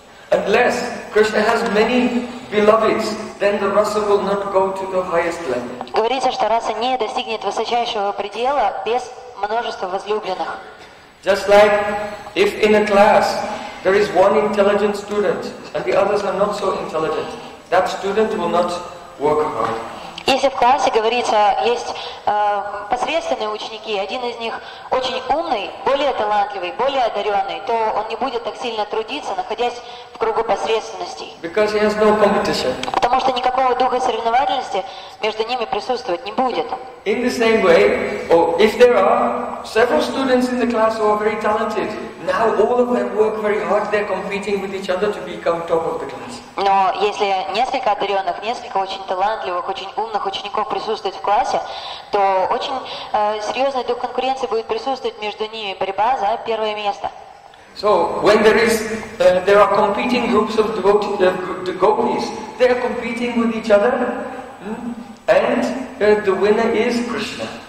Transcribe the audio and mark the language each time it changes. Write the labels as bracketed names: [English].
[English] Unless Krishna has many beloveds, then the rasa will not go to the highest level. [Russian] Говорится, что раса не достигнет высочайшего предела без множества возлюбленных. [English] Just like if in a class there is one intelligent student and the others are not so intelligent, that student will not work hard. [Russian] Если в классе, говорится, есть посредственные ученики, один из них очень умный, более талантливый, более одаренный, то он не будет так сильно трудиться, находясь в кругу посредственностей. [English] Because he has no competition. [Russian] Потому что никакого духа соревновательности между ними присутствовать не будет. [English] In the same way, or if there are several students in the class who are very talented, now all of them work very hard, they're competing with each other to become top of the class. [Russian] Но если несколько одаренных, несколько очень талантливых, очень умных учеников присутствует в классе, то очень серьезный дух конкуренции будет присутствовать между ними, борьба за первое место. [English] So when there are competing groups of the gopis, they are competing with each other, and the winner is Krishna.